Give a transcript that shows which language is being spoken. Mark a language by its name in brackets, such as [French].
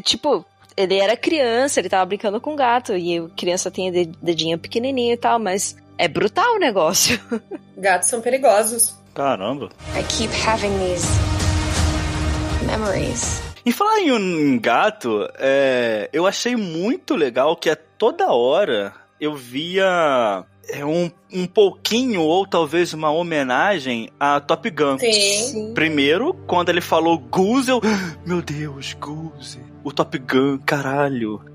[Portuguese] Tipo, ele era criança, ele tava brincando com gato, e criança tem dedinho pequenininho e tal, mas é brutal o negócio. Gatos são perigosos. Caramba! [English] I keep having these memories. [Portuguese] E falar em um gato, eu achei muito legal que a toda hora eu via um pouquinho ou talvez uma homenagem a Top Gun. Sim. Primeiro, quando ele falou Goose, eu... Meu Deus, Goose, o Top Gun, caralho.